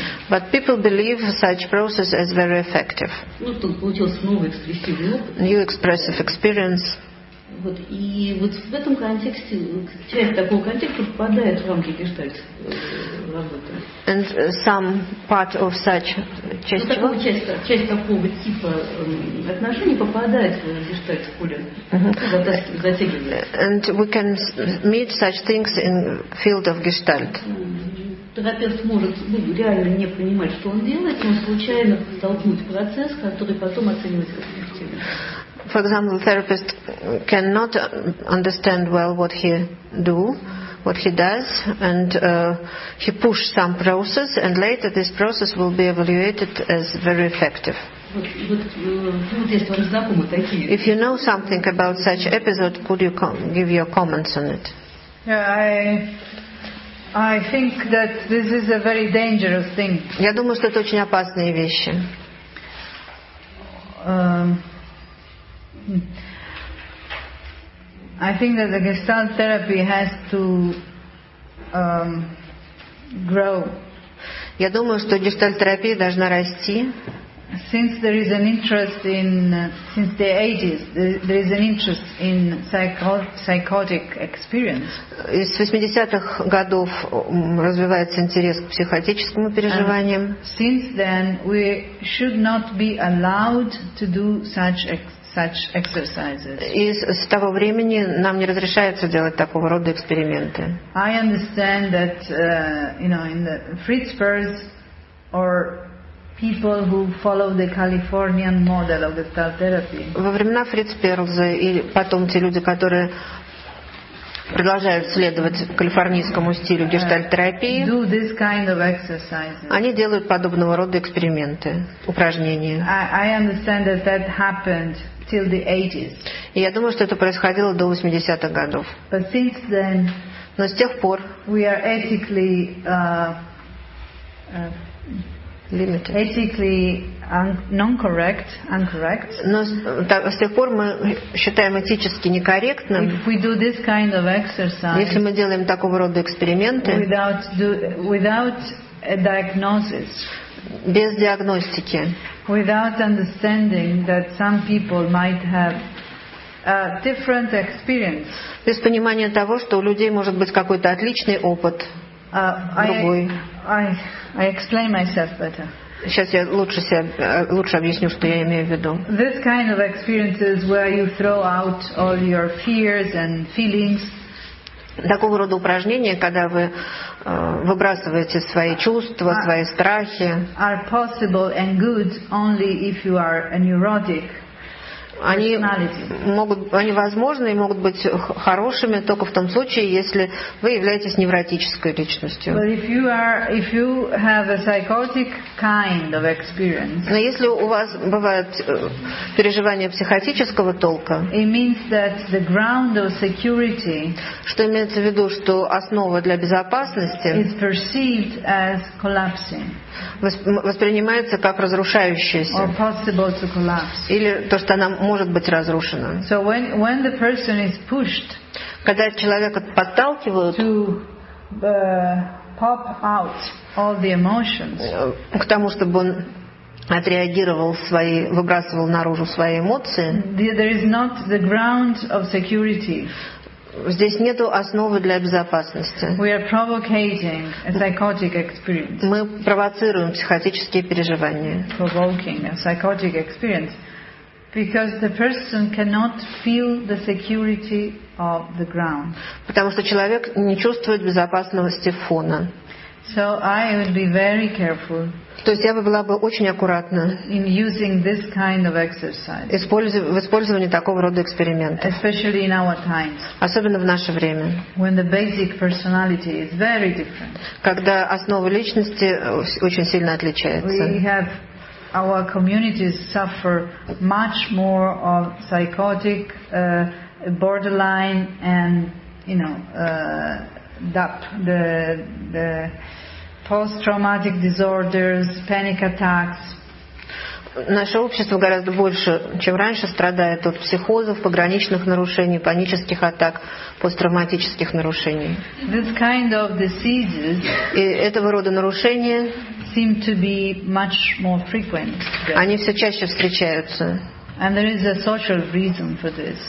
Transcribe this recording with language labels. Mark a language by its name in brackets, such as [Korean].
[English] But people believe such process as very effective. New expressive experience. [Russian] Вот, и вот в этом контексте часть такого контекста попадает в рамки гештальт-работы. [English] And some part of such [Russian] часть, ну, часть такого типа отношений попадает в гештальт-поле. Затягивается. [English] And we can meet such things in field of gestalt. [Russian] Терапевт может реально не понимать, что он делает, но случайно толкнуть процесс, который потом оценивается как эффективный. [English] For example, the therapist cannot understand well what he do, what he does, and he push some process, and later this process will be evaluated as very effective. If you know something about such episode, could you give your comments on it? Yeah, I think that this is a very dangerous thing. [Russian] Я думаю, что это очень опасные вещи. [English] I think that the Gestalt therapy has to grow. [Russian] Я думаю, что гештальт терапия должна расти. [English] Since there is an interest in since the ages, there is an interest in psychotic experience. [Russian] Из 80-х годов развивается интерес к психотическим переживаниям. [English] And since then, we should not be allowed to do such exercises. [Russian] И с того времени нам не разрешается делать такого рода эксперименты. [English] I understand that you know, in the Fritzbergs or people who follow the Californian model of Gestalt therapy. [Russian] Во времена Фрицперлза и потом те люди, которые продолжают следовать калифорнийскому стилю гештальт-терапии, [English] do this kind of exercises. [Russian] Они делают подобного рода эксперименты, упражнения. [English] I understand that that happened. [Russian] И я думаю, что это происходило до 80-х годов. [English] But since then, [Russian] но с тех пор [English] we are ethically, limited. Ethically incorrect. [Russian] Но с тех пор мы считаем этически некорректным, [English] if we do this kind of exercise, [Russian] если мы делаем такого рода эксперименты [English] without a diagnosis, [Russian] без диагностики. [English] Without understanding that some people might have a different experience. [Russian] Без понимания того, что у людей может быть какой-то отличный опыт, другой. [English] I explain myself better. [Russian] Сейчас я лучше объясню, что я имею в виду. [English] This kind of experiences where you throw out all your fears and feelings. [Russian] Такого рода упражнения, когда вы выбрасываете свои чувства, свои страхи, [English] are possible and good only if you are a neurotic. [Russian] Они возможны и могут быть хорошими только в том случае, если вы являетесь невротической личностью. [English] But if you have a psychotic kind of experience. [Russian] Но если у вас бывают переживания психотического толка, [English] it means that the ground of security, [Russian] что имеется в виду, что основа для безопасности, [English] is perceived as collapsing. [Russian] Воспринимается как разрушающаяся. [English] Or possible to collapse. [Russian] Или то, что она может быть разрушена. [English] So when the person is pushed, [Russian] когда человека подталкивают [English] to, pop out all the emotions, [Russian] к тому, чтобы он отреагировал свои, выбрасывал наружу свои эмоции, [English] there is not the ground of security. [Russian] Здесь нету основы для безопасности. [English] We are provoking a psychotic experience. [Russian] Мы провоцируем психотические переживания. [English] Provoking a psychotic experience. Because the person cannot feel the security of the ground. [Russian] Потому что человек не чувствует безопасности фона. [English] So I would be very careful. [Russian] То есть я бы была бы очень аккуратна [English] in using this kind of exercise. [Russian] В использовании такого рода экспериментов. [English] Especially in our times. [Russian] Особенно в наше время. [English] When the basic personality is very different. [Russian] Когда основа личности очень сильно отличается. [English] We have our communities suffer much more of psychotic, borderline, and you know, the post-traumatic disorders, panic attacks. [Russian] наше общество гораздо больше, чем раньше, страдает от психозов, пограничных нарушений, панических атак, посттравматических нарушений. [English] This kind of diseases [Russian] и этого рода нарушения [English] seem to be much more frequent. [Russian] Они все чаще встречаются. [English] And there is a social reason for this.